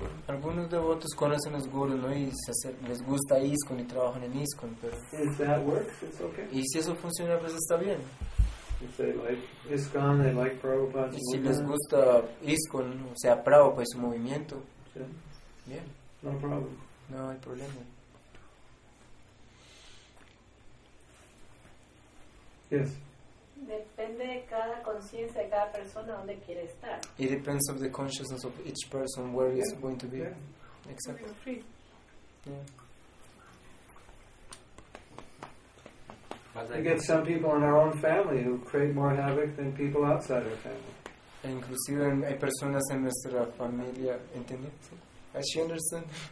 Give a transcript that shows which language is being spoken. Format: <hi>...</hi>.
<es>Algunos devotos conocen los gurus, ¿no? Y les gusta ISKCON y trabajan en ISKCON, pero</es> <en>if that works, it's okay.</en> <es>Y si eso funciona, pues está bien.</es> <en>If they like ISKCON, they like Prabhupada's movement.</en> <es>Si les gusta ISKCON, o sea, Prabhupada y su movimiento, sí. Bien.</es> <en>No problem.</en> <es>No hay problema.</es> <en>Yes.</en> <es>Depende de cada conciencia de cada persona donde quiere estar.</es> <en>It depends of the consciousness of each person where it's going to be. Yeah. Exactly. Free. Yeah. We get some people in our own family who create more havoc than people outside our family.</en> <es>Inclusive, hay personas en nuestra familia, ¿entiendes?</es> <en>As she understands.</en>